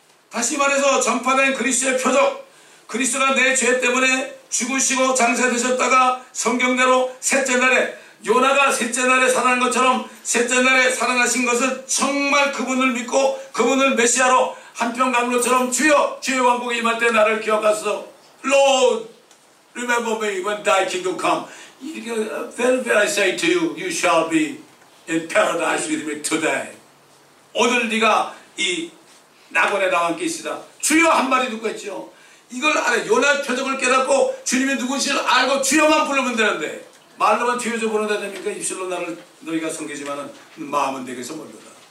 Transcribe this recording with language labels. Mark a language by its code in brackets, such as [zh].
[ko] 다시 말해서 전파된 그리스도의 표적, 그리스도가 내 죄 때문에 죽으시고 장사되셨다가 성경대로 셋째 날에 요나가 셋째 날에 살아난 것처럼 셋째 날에 살아나신 것은 정말 그분을 믿고 그분을 메시아로 한평 강로처럼 주여 주의 왕국이 임할 때 나를 기억하소서. [en] Lord, remember me when thy kingdom come. Verily I say to you, you shall be in paradise with me today. [ko] 오늘 네가 이 낙원에 나와 함께 있으라. 주여 한 마디 듣고 했죠. 이걸 알아. 요나 표적을 깨닫고 주님이 누구신지 알고 주여만 부르면 되는데 말로만 뒤에서 보는다 됩니까? 입술로 나를 너희가 섬기지만은 마음은 내게서 멀더라.